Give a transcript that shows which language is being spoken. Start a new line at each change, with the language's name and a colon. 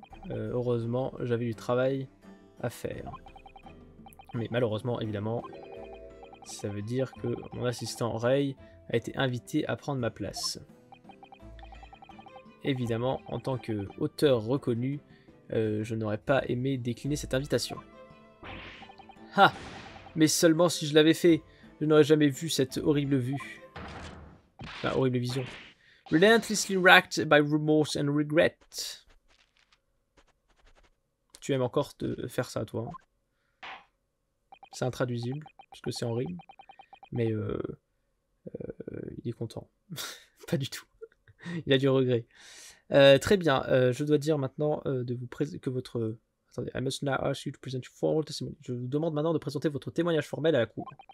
French: Heureusement, j'avais du travail à faire. Mais malheureusement, évidemment, ça veut dire que mon assistant Ray a été invité à prendre ma place. Évidemment, en tant qu'auteur reconnu, je n'aurais pas aimé décliner cette invitation. Ha! Mais seulement si je l'avais fait, je n'aurais jamais vu cette horrible vue. Enfin, horrible vision.
English: Relentlessly racked by remorse and regret.
French: Tu aimes encore te faire ça, toi. C'est intraduisible, parce que c'est en rime. Mais il est content. Pas du tout. Il a du regret. Très bien, je dois dire maintenant de vous que votre... Attendez,
English: I must now ask you to present your formal testimony.
French: Je vous demande maintenant de présenter votre témoignage formel à la cour.